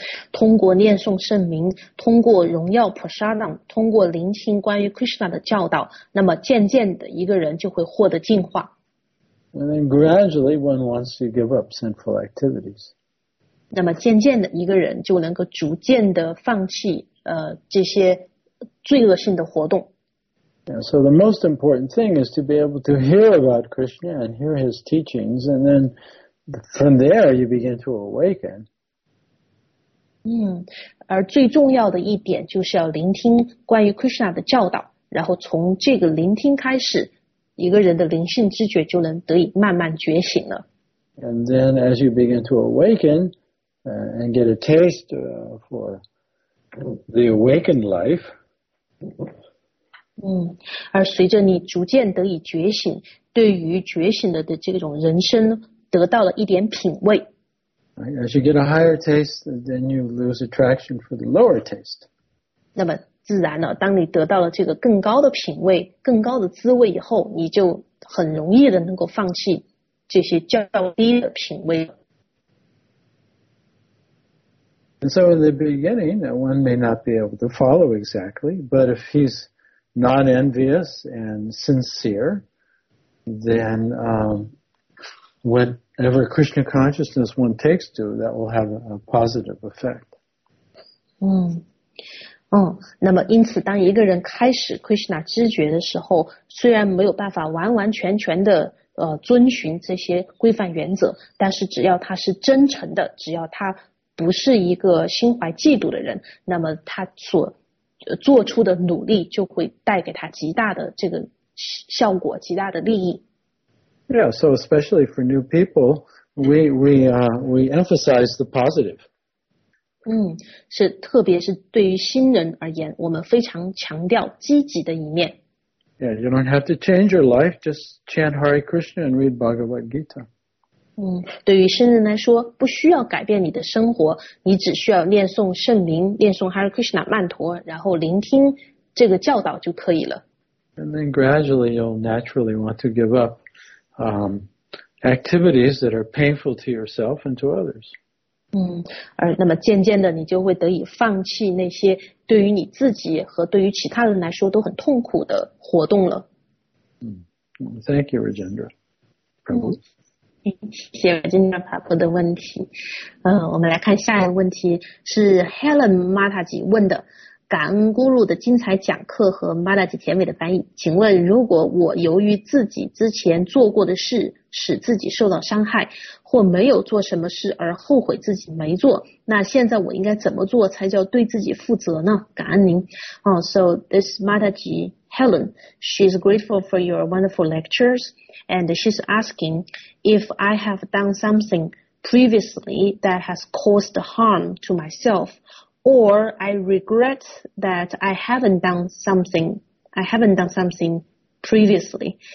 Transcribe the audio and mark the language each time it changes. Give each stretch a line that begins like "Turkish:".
Chinese: 通过念诵圣名，通过荣耀普沙当，通过聆听关于 Krishna 的教导，那么渐渐的一个人就会获得净化。
English: And then gradually one wants to give up sinful activities.
Chinese: 那么渐渐的一个人就能够逐渐的放弃这些罪恶性的活动。
English: Yeah, so the most important thing is to be able to hear about Krishna and hear his teachings, and then from there you begin to awaken.
Chinese: 而最重要的一点就是要聆听关于 Krishna 的教导，然后从这个聆听开始，一个人的灵性知觉就能得以慢慢觉醒了。
English: And then as you begin to awaken, and get a taste, for the awakened life,
Chinese: 而随着你逐渐得以觉醒，对于觉醒的这种人生得到了一点品味。
English: As you get a higher taste, then you lose attraction for the lower taste.
Chinese: 那么自然了，当你得到了这个更高的品味、更高的滋味以后，你就很容易的能够放弃这些较低的品味。
English: And so in the beginning, one may not be able to follow exactly, but if he's non-envious and sincere, then whatever Krishna consciousness one takes to, that will have a positive effect.
Chinese: 那么因此当一个人开始 Krishna 知觉的时候，虽然没有办法完完全全的遵循这些规范原则，但是只要他是真诚的，只要他不是一个心怀嫉妒的人，那么他所做出的努力就会带给他极大的这个效果，极大的利益。
English: Yeah, so especially for new people, we emphasize the positive.
Chinese: 是特别是对于新人而言，我们非常强调积极的一面。
English: Yeah, you don't have to change your life, just chant Hare Krishna and read Bhagavad Gita.
Chinese: 对于新人来说，不需要改变你的生活，你只需要念诵圣名，念诵 Hare Krishna 曼陀，然后聆听这个教导就可以了。
English: And then gradually you'll naturally want to give upactivities that are painful to yourself and to others.
Chinese: 而那么渐渐的你就会得以放弃那些对于你自己和对于其他人来说都很痛苦的活动了。
English: Thank you, Rajendra.
Chinese: 谢谢 Rajendra Prabhu 的问题。我们来看下一个问题，是 Helen Mataji 问的。感恩咕噜的精彩讲课和 Mataji 甜美的翻译，请问如果我由于自己之前做过的事使自己受到伤害，或没有做什么事而后悔自己没做，那现在我应该怎么做才叫对自己负责呢？感恩您。
English: So this Mataji Helen, she's grateful for your wonderful lectures, and she's asking if I have done something previously that has caused harm to myself,Or I regret that I haven't done something previously.